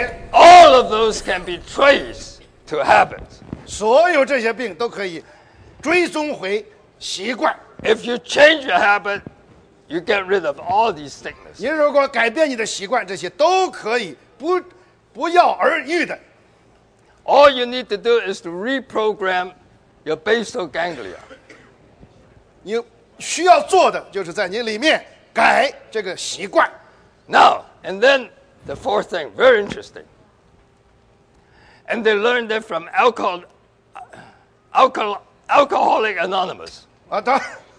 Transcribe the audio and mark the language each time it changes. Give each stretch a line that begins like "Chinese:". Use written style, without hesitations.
English: All of those can be traced to habits.
Chinese: 所有这些病都可以追踪回习惯。
English: If you change your habit, you get rid of all these sicknesses.
Chinese: 你如果改变你的习惯，这些都可以不药而愈的。
English: All you need to do is to reprogram your basal ganglia.
Chinese: 你需要做的就是在你里面改这个习惯。
English: Now and then. The fourth thing, very interesting. And they learned it from Alcoholic Anonymous.